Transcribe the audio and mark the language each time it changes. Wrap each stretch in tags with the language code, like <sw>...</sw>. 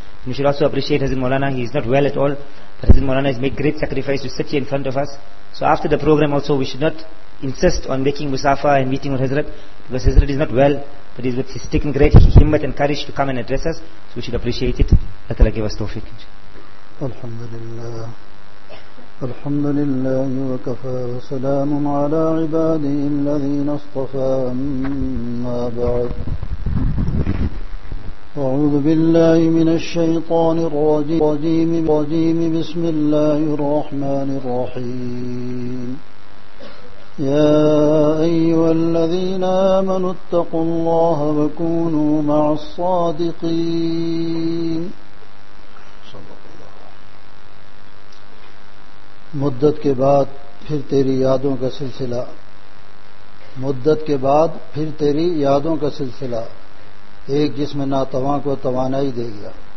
<en>And we should also appreciate Hazrat Maulana, he is not well at all, but Hazrat Maulana has made great sacrifice to sit here in front of us. So after the program also, we should not insist on making musafa and meeting with Hazrat, because Hazrat is not well, but he's taken great himmat and courage to come and address us, so we should appreciate it. Allah Ta'ala give us tawfiq. Alhamdulillah.</en> <ar>الحمد لله وكفى وسلام على عباده الذين اصطفى, أما بعد, أعوذ بالله من الشيطان الرجيم بسم الله الرحمن الرحيم. يا أيها الذين آمنوا اتقوا الله وكونوا مع الصادقين.</ar> <ur>مدت کے بعد پھر تیری یادوں کا سلسلہ, مدت کے بعد پھر تیری یادوں کا سلسلہ, ایک جسم ناتواں کو توانائی دے گیا.</ur>